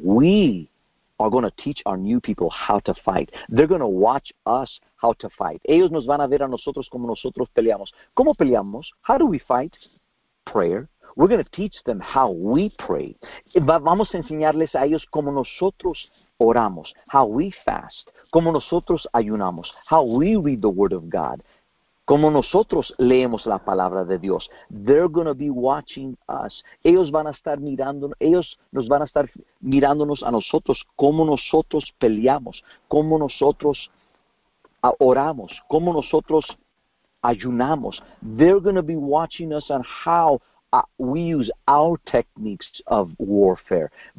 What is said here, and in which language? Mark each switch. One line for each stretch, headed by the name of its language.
English: We are going to teach our new people how to fight. They're going to watch us how to fight.
Spanish: Ellos nos van a ver a nosotros como nosotros peleamos. ¿Cómo peleamos?
English: How do we fight? Prayer. We're going to teach them how we pray.
Spanish: Vamos a enseñarles a ellos cómo nosotros oramos,
English: how we fast,
Spanish: cómo nosotros ayunamos,
English: how we read the Word of God,
Spanish: cómo nosotros leemos la palabra de Dios.
English: They're going to be watching us.
Spanish: Ellos van a estar mirando, ellos nos van a estar mirándonos a nosotros, cómo nosotros peleamos, cómo nosotros oramos, cómo nosotros ayunamos.
English: They're going to be watching us on how we use our techniques of warfare.